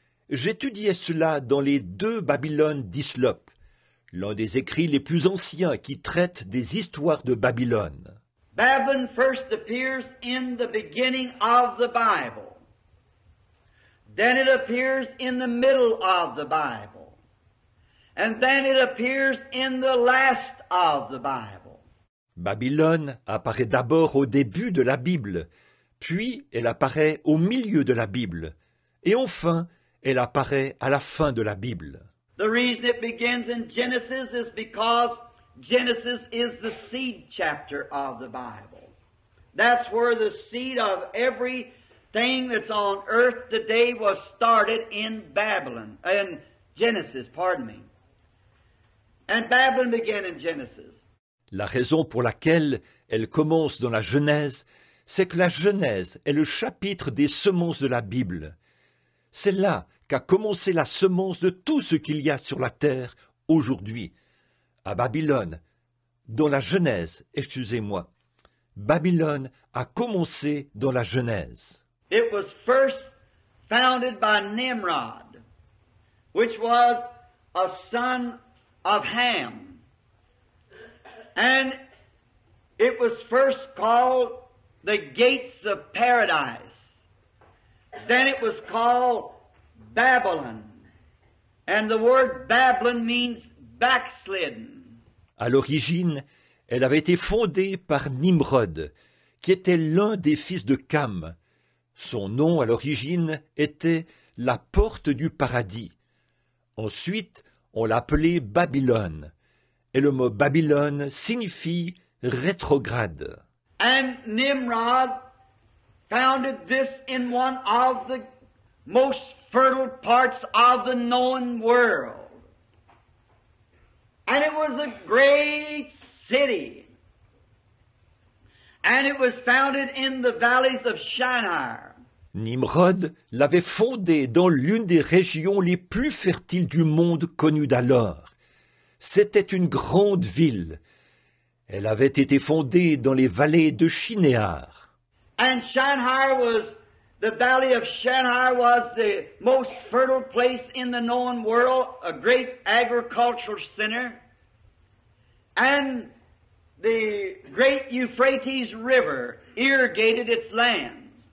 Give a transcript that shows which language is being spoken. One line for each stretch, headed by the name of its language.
French: J'étudiais cela dans les deux Babylones d'Islop, l'un des écrits les plus anciens qui traite des histoires de Babylone.
English: Babylon first appears in the beginning of the Bible. Then it appears in the middle of the Bible. And then it appears in the last of the Bible.
French: Babylone apparaît d'abord au début de la Bible, puis elle apparaît au milieu de la Bible, Et enfin, elle apparaît à la fin de la Bible.
English: The reason it begins in Genesis is because Genesis is the seed chapter of the Bible. That's where the seed of everything that's on earth today was started in Babylon, in Genesis, pardon me. And Babylon began in Genesis.
French: La raison pour laquelle elle commence dans la Genèse, c'est que la Genèse est le chapitre des semences de la Bible. C'est là qu'a commencé la semence de tout ce qu'il y a sur la terre aujourd'hui, à Babylone, dans la Genèse, excusez-moi. Babylone a commencé dans la Genèse.
English: It was first founded by Nimrod, which was a son of Ham. And it was first called the Gates of Paradise. Then it was called Babylon. And the word Babylon means backslidden.
French: À l'origine, elle avait été fondée par Nimrod, qui était l'un des fils de Cam. Son nom, à l'origine, était la porte du paradis. Ensuite, on l'appelait Babylone. Et le mot Babylone signifie rétrograde.
English: And Nimrod founded this in one of the most fertile parts of the known world. And it was a great city. And it was founded in the valleys of Shinar.
French: Nimrod l'avait fondée dans l'une des régions les plus fertiles du monde connue d'alors. C'était une grande ville. Elle avait été fondée dans les vallées de Shinéar.
English: And Shinar was, the valley of Shinar was the most fertile place in the known world, a great agricultural center. And the great Euphrates River irrigated its lands.